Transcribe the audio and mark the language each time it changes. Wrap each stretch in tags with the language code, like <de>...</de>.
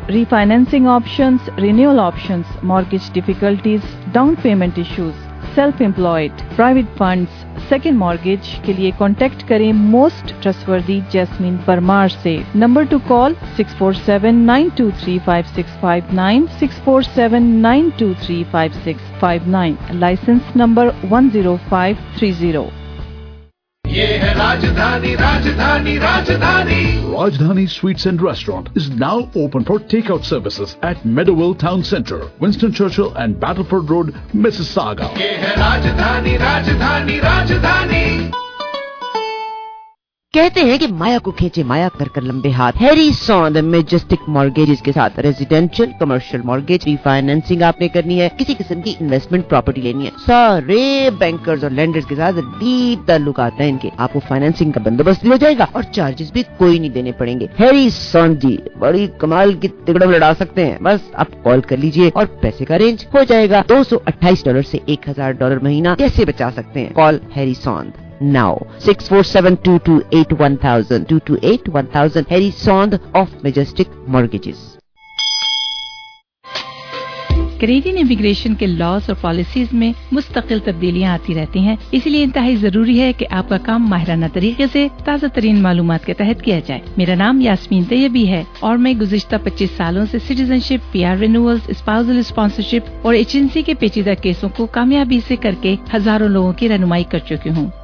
<hi>Refinancing options, renewal options, mortgage difficulties, down payment issues, self employed, private funds, second mortgage के लिए contact करें most trustworthy jasmine Parmar से। Number two call 6479235659, 6479235659, licence number 10530।</hi> <en>Rajdhani Sweets and Restaurant is now open for takeout services at Meadowville Town Center, Winston Churchill and Battleford Road, Mississauga.</en> <hi>कहते हैं कि माया को खींचे माया कर कर लंबे हाथ। Harry sworn the Majestic mortgages के साथ रेजिडेंशियल कमर्शियल मॉर्गेज रीफाइनेंसिंग आपने करनी है, किसी किस्म की इन्वेस्टमेंट प्रॉपर्टी लेनी है, सारे बैंकर्स और लेंडर्स के साथ डीप तल्लुक आते हैं इनके, आपको फाइनेंसिंग का बंदोबस्त भी हो जाएगा और चार्जेस भी कोई नहीं देने पड़ेंगे। हैरी सॉन जी बड़ी कमाल की तिकड़म लड़ा सकते हैं, बस आप कॉल कर लीजिए और पैसे का रेंज हो जाएगा। $228 से $1,000 महीना कैसे बचा सकते हैं? Call Harry sworn Now 6472281000 Harry Sond of Majestic Mortgages. Canadian immigration के लॉज और पॉलिसीज में मुस्तकिल तब्दीलियां आती रहती हैं, इसलिए इंतहाई जरूरी है कि आपका काम माहिराना तरीके से ताज़ा तरीन मालूमात के तहत किया जाए। मेरा नाम यास्मीन तैयबी है और मैं गुज़िश्ता 25 सालों से citizenship, PR renewals, spousal sponsorship और एजेंसी के पेचीदा केसों को कामयाबी से करके हजारों लोगों की रहनुमाई कर चुकी हूँ।</hi>